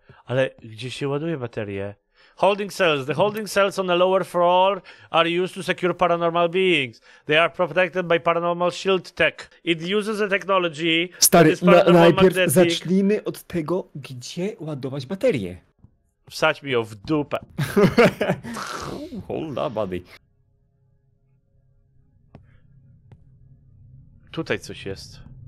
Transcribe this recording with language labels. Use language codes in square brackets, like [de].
[pl] Ale gdzie się ładuje baterie? [en] Holding cells. The holding cells on the lower floor are used to secure paranormal beings. They are protected by paranormal shield tech. It uses a technology... [pl] Stary, najpierw zacznijmy od tego, gdzie ładować baterie. Wsadź mi ją w dupę. [en] Hold up, buddy. [pl] Tutaj coś jest.